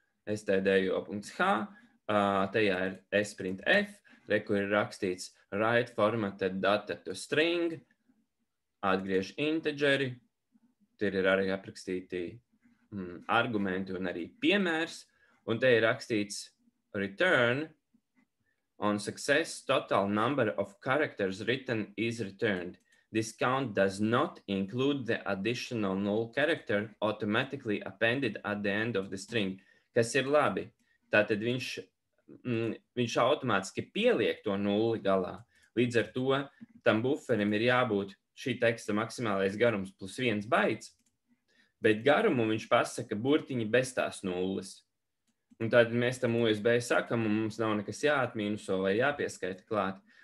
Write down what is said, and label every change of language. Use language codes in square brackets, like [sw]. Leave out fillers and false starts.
[lv] stdio.h, tajā ir sprintf, kur ir rakstīts [en] write formatted data to string, [lv] atgriež integeri, tur ir arī aprakstīti argumenti un arī piemērs, un te ir rakstīts [en] return on success total number of characters written is returned. This count does not include the additional null character automatically appended at the end of the string, [lv] kas ir labi. Tātad viņš automātiski pieliek to nulli galā. Līdz ar to tam buferim ir jābūt šī teksta maksimālais garums plus viens baits, bet garumu viņš pasaka burtiņi bez tās nulles. Un tad mēs tam USB sakam, un mums nav nekas jāatmīnuso vai jāpieskaita klāt.